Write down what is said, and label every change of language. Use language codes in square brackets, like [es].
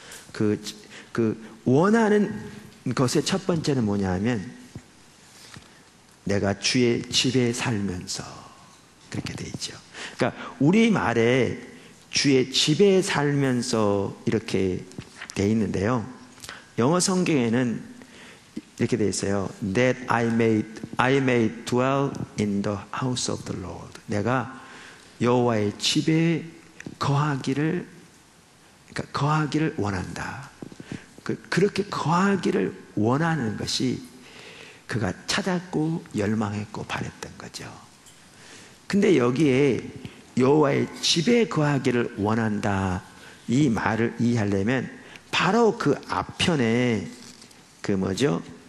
[ko] 그 원하는 것의 첫 번째는 뭐냐 하면 내가 주의 집에 살면서 그렇게 돼 있죠. 그러니까 우리 말에 주의 집에 살면서 이렇게 돼 있는데요. 영어 성경에는 이렇게 돼 있어요. [en] That I may dwell in the house of the Lord. [ko] 내가 여호와의 집에 거하기를 그러니까 거하기를 원한다. 그렇게 거하기를 원하는 것이 그가 찾았고 열망했고 바랬던 거죠. 근데 여기에 여호와의 집에 거하기를 원한다 이 말을 이해하려면 바로 그 앞편에 그 뭐죠?